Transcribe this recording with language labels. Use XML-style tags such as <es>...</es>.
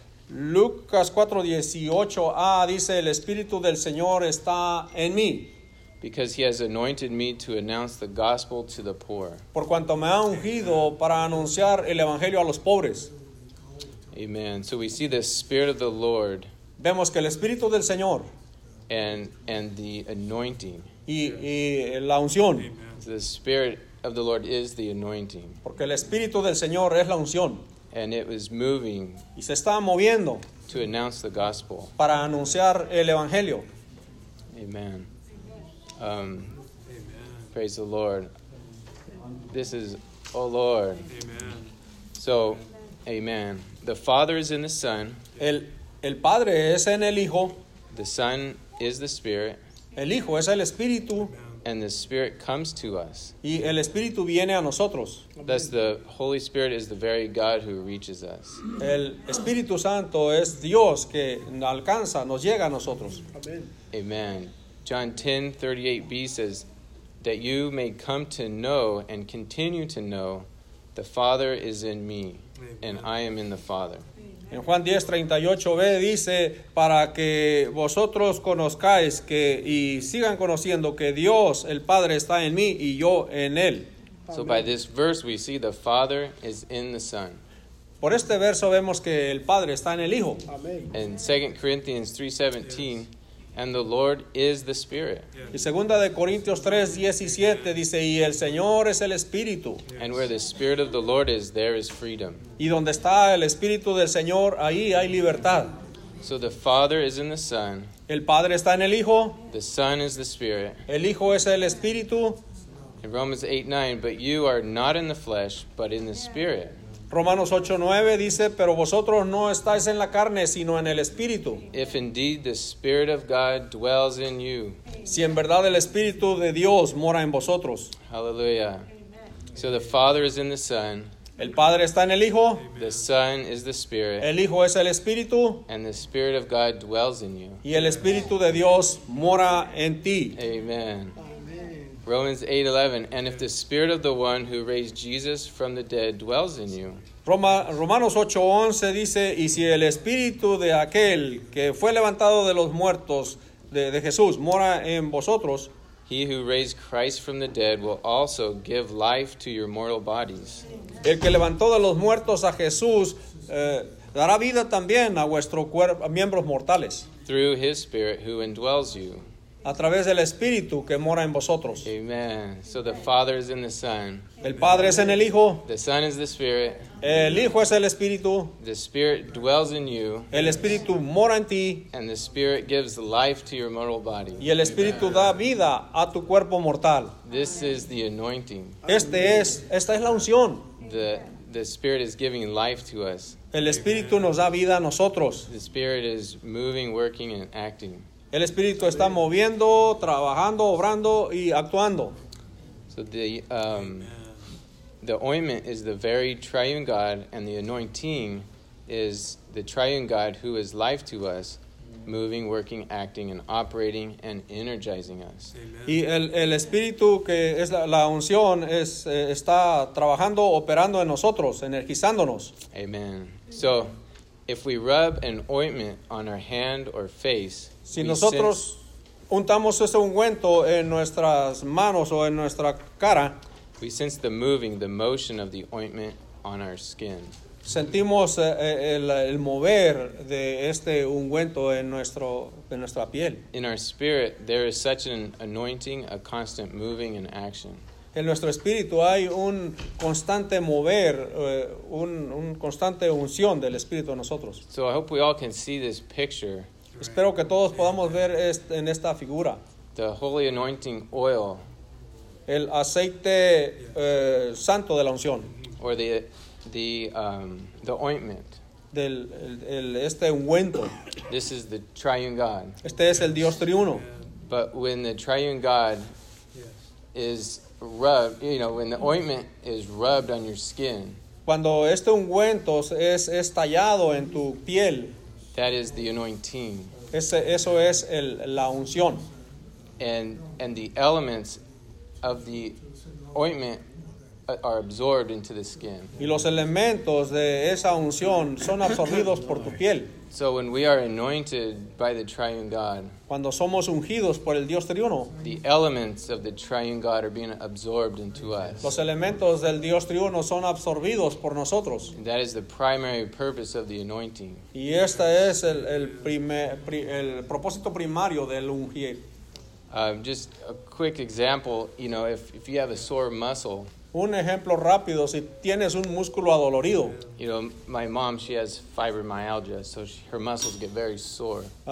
<es>Lucas 4:18a dice, "El Espíritu del Señor está en mí."</es> <en>Because he has anointed me to announce the gospel to the poor.</en> <es>Por cuanto me ha ungido para anunciar el evangelio a los pobres.</es> <en>Amen. So we see the Spirit of the Lord.</en> <es>Vemos que el Espíritu del Señor.</es> <en>And the anointing.</en> <es>Y la unción.</es> <en>So the Spirit of the Lord is the anointing.</en> <es>Porque el Espíritu del Señor es la unción.</es> <en>And it was moving.</en> <es>Y se está moviendo.</es> <en>To announce the gospel.</en> <es>Para anunciar el evangelio.</es> <en>Amen. Praise the Lord. This is, oh Lord. Amen. So, amen. The Father is in the Son.</en> <es>El Padre es en el Hijo.</es> <en>The Son is the Spirit.</en> <es>El Hijo es el Espíritu.</es> <en>And the Spirit comes to us.</en> <es>Y el Espíritu viene a nosotros.</es> <en>Thus, the Holy Spirit is the very God who reaches us.</en> <es>El Espíritu Santo es Dios que alcanza, nos llega a nosotros.</es> <en>Amen. John 10:38b says that you may come to know and continue to know the Father is in me and I am in the Father.</en> <es>En Juan 10:38b dice para que vosotros conozcáis que y sigan conociendo que Dios el Padre está en mí y yo en él.</es> <en>So by this verse we see the Father is in the Son.</en> <es>Por este verso vemos que el Padre está en el Hijo.</es> <en>In 2 Corinthians 3:17 yes. And the Lord is the Spirit.</en> <es>Y segunda de Corintios 3:17 dice, y el Señor es el Espíritu.</es> <en>And where the Spirit of the Lord is, there is freedom.</en> <es>Y donde está el Espíritu del Señor, ahí hay libertad.</es> <en>So the Father is in the Son.</en> <es>El Padre está en el Hijo.</es> <en>The Son is the Spirit.</en> <es>El Hijo es el Espíritu.</es> <en>In Romans 8:9, but you are not in the flesh, but in the Spirit.</en> <es>Romanos 8:9 dice, pero vosotros no estáis en la carne, sino en el Espíritu.</es> <en>If indeed the Spirit of God dwells in you.</en> <es>Si en verdad el Espíritu de Dios mora en vosotros.</es> <en>Hallelujah. So the Father is in the Son.</en> <es>El Padre está en el Hijo. Amen.</es> <en>The Son is the Spirit.</en> <es>El Hijo es el Espíritu.</es> <en>And the Spirit of God dwells in you.</en> <es>Y el Espíritu de Dios mora en ti.</es> <en>Amen. Romans 8:11, and if the Spirit of the one who raised Jesus from the dead dwells in you.</en> <es>Romanos 8:11 dice, y si el Espíritu de aquel que fue levantado de los muertos de Jesús mora en vosotros.</es> <en>He who raised Christ from the dead will also give life to your mortal bodies.</en> <es>El que levantó de los muertos a Jesús dará vida también a vuestros miembros mortales.</es> <en>Through his Spirit who indwells you.</en> <es>A través del Espíritu que mora en vosotros.</es> <en>Amen. So the Father is in the Son.</en> <es>El Padre es en el Hijo.</es> <en>The Son is the Spirit.</en> <es>El Hijo es el Espíritu.</es> <en>The Spirit dwells in you.</en> <es>El Espíritu mora en ti.</es> <en>And the Spirit gives life to your mortal body.</en> <es>Y el Espíritu Amen. Da vida a tu cuerpo mortal.</es> <en>This is the anointing.</en> <es>Esta es la unción.</es> <en>The Spirit is giving life to us.</en> <es>El Espíritu Amen. Nos da vida a nosotros.</es> <en>The Spirit is moving, working, and acting.</en> <es>El Espíritu está moviendo, trabajando, obrando y actuando.</es> <en>So the ointment is the very triune God, and the anointing is the triune God who is life to us, moving, working, acting, and operating, and energizing us. Amen.</en> <es>Y el Espíritu que es la unción es está trabajando, operando en nosotros, energizándonos.</es> <en>Amen. So If we rub an ointment on our hand or face,</en> <es>si nosotros untamos ese ungüento en nuestras manos o en nuestra cara,</es> <en>we sense the moving, the motion of the ointment on our skin.</en> <es>Sentimos el mover de este ungüento en nuestra piel.</es> <en>In our spirit, there is such an anointing, a constant moving and action.</en> <es>En nuestro espíritu hay un constante mover, un constante unción del espíritu en nosotros.</es> <en>So I hope we all can see this picture. Right.</en> <es>Espero que todos podamos ver en esta figura.</es> <en>The holy anointing oil.</en> <es>El aceite santo de la unción.</es> <en>Or the ointment.</en> <es>Del este ungüento.</es> <en>This is the triune God.</en> <es>Este es el Dios triuno.</es> <en>But when the triune God is rubbed, you know, when the ointment is rubbed on your skin,</en> <es>cuando este ungüento es estallado en tu piel,</es> <en>that is the anointing.</en> <es>Eso es la unción.</es> <en>And the elements of the ointment are absorbed into the skin.</en> <es>Y los elementos de esa unción son absorbidos por tu piel.</es> <en>So when we are anointed by the triune God,</en> <es>cuando somos ungidos por el Dios triuno,</es> <en>the elements of the triune God are being absorbed into us.</en> <es>Los elementos del Dios triuno son absorbidos por nosotros.</es> <en>And that is the primary purpose of the anointing.</en> <es>Y esta es el propósito primario del ungir.</es> <en>Just a quick example, you know, if you have a sore muscle.</en> <es>Un ejemplo rápido, si tienes un músculo adolorido.</es> <en>You know, my mom, she has fibromyalgia, so her muscles get very sore.</en>